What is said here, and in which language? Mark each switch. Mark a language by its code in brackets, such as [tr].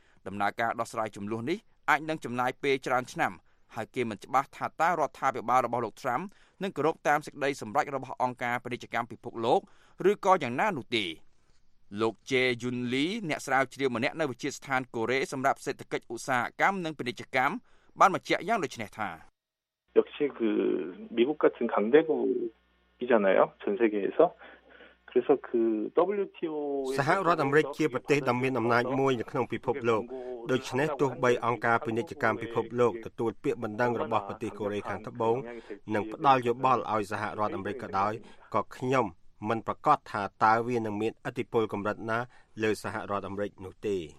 [km] ដំណើរការដោះស្រាយចំនួននេះអាចនឹងចំណាយពេលច្រើនឆ្នាំហើយគេមិនច្បាស់ថាតើរដ្ឋាភិបាលរបស់លោកត្រាំនឹងគោរពតាមសេចក្តីសម្រេចរបស់អង្គការពាណិជ្ជកម្មពិភពលោកឬក៏យ៉ាងណានោះទេលោកជេយុនលីអ្នកស្រាវជ្រាវម្នាក់នៅវិទ្យាស្ថានកូរ៉េសម្រាប់សេដ្ឋកិច្ចឧស្សាហកម្មនិងពាណិជ្ជកម្មបានបញ្ជាក់យ៉ាងដូចនេះថា [ko] 역시 그 미국 같은 강대국이잖아요 전 세계에서 그래서 그 WTO [km] សហរដ្ឋអាមេរិកជាប្រទេសដែលមានអំណាចមួយនៅក្នុងពិភពលោកដូច្នេះទោះបីអង្គការពាណិជ្ជកម្មពិភពលោកទទួលពាក្យបណ្ដឹងរបស់ប្រទេសកូរ៉េខាងត្បូងនិងផ្ដល់យោបល់ឲ្យសហរដ្ឋអាមេរិកក៏ដោយក៏ខ្ញុំមិនប្រកាសថាតើវានឹងមានឥទ្ធិពលកម្រិតណាលើសហរដ្ឋអាមេរិកនោះទេ